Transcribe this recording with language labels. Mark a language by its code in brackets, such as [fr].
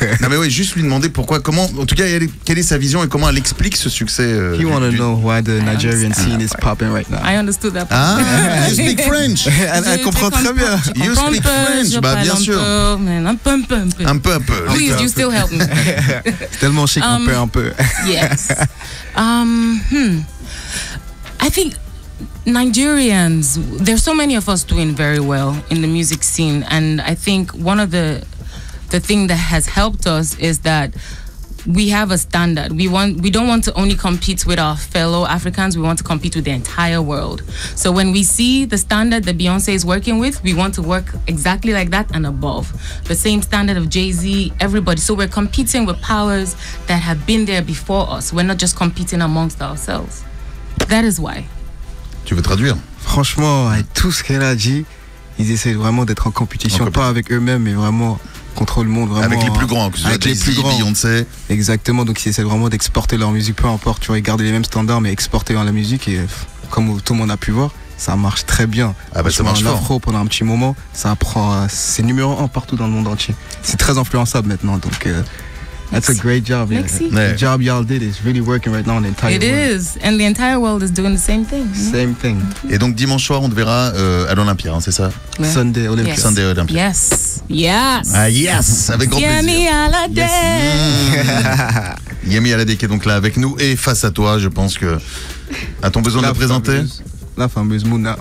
[fr] Non, mais oui, juste lui demander pourquoi, comment, en tout cas, quelle est sa vision et comment elle explique ce succès. [en] He wanna know why the Nigerian scene is popping right now. I understood that. Ah, yeah. You speak French. [fr] Elle comprend très bien. [en] You speak French, [fr] bah bien sûr. Un peu. [en] Please, you still help me. [fr] C'est tellement chic, un peu. [en] Yes. I think. Nigerians, there's so many of us doing very well in the music scene, and I think one of the thing that has helped us is that we have a standard. We don't want to only compete with our fellow Africans. We want to compete with the entire world. So when we see the standard that Beyoncé is working with, we want to work exactly like that and above. The same standard of Jay-Z, everybody. So we're competing with powers that have been there before us. We're not just competing amongst ourselves. That is why. [fr] Tu veux traduire? Franchement, avec tout ce qu'elle a dit, ils essaient vraiment d'être en compétition, pas avec eux-mêmes, mais vraiment contre le monde. Vraiment, avec les plus grands, que ce soit avec les plus grands. Beyoncé. Exactement, donc ils essaient vraiment d'exporter leur musique, peu importe, tu vois, ils gardent les mêmes standards, mais exporter dans la musique, et comme tout le monde a pu voir, ça marche très bien. Ah bah ça marche fort. L'afro pendant un petit moment, ça prend, c'est numéro un partout dans le monde entier. C'est très influençable maintenant, donc... [en] That's a great job. Yeah. The job y'all did is really working right now on the entire world. It is. And the entire world is doing the same thing. Same thing. [fr] Et donc dimanche soir, on te verra à l'Olympia, hein, c'est ça? [en] Yeah. Sunday Olympia. Yes. Sunday Olympia. Yes. Yes. [fr] Ah, yes. Avec grand plaisir. Yemi Alade. Yemi Alade qui est donc là avec nous et face à toi, je pense que... A-t-on besoin de la présenter? La fameuse Mouna.